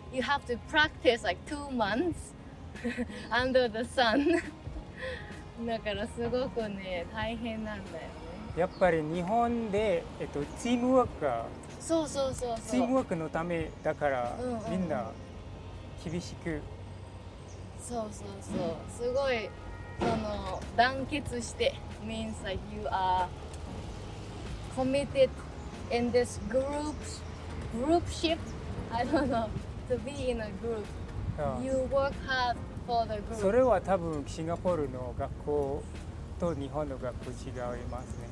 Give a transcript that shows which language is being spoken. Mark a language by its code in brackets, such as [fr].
[en] You have to practice like 2 months under the sun. [ja] だからすごくね大変なんだよね。やっぱり日本で、チームワークが、そうそうそうそう、チームワークのためだから、うんうん、みんな厳しく、そうそうそう、すごいその団結して [en] means like you are committed in this groupship I don't know to be in a group、yeah. you work hard [ja] それは多分シンガポールの学校と日本の学校違いますね。